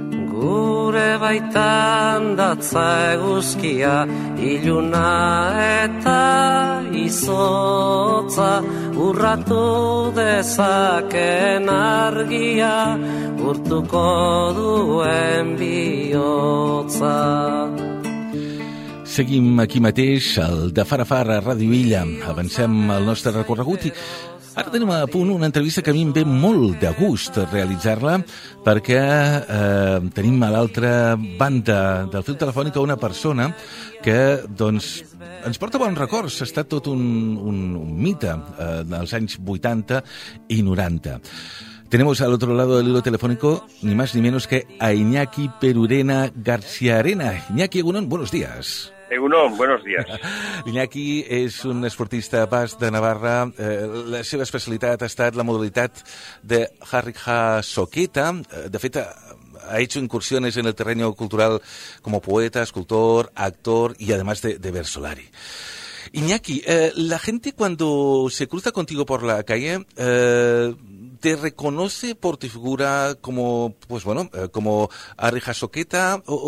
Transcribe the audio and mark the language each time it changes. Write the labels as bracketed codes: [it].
[eu] Gure baitan datza eguzkia, iluna eta izotza, urratu dezaken argia, urtuko duen bihotza. [ca] Seguim aquí mateix, al De Far a Far, a Ràdio Illa. Avancem el nostre recorregut i ara tenim a punt una entrevista que a mi em ve molt de gust realitzar-la, perquè tenim a l'altra banda del fil telefònic una persona que, doncs, ens porta bons records. Ha estat tot un mite dels anys 80 i 90. [es] Tenemos al otro lado del hilo telefónico, ni más ni menos que a Iñaki Perurena García Arena. Iñaki, [eu] egunon, [es] buenos días. [eu] Egunon, [es] buenos días. [ca] Iñaki és un esportista basc de Navarra. La seva especialitat ha estat la modalitat de jarrija soqueta. De fet, [es] ha hecho incursiones en el terreno cultural como poeta, escultor, actor y además de versolari. Iñaki, la gente cuando se cruza contigo por la calle, ¿te reconoce por tu figura como, pues bueno, como jarrija soqueta?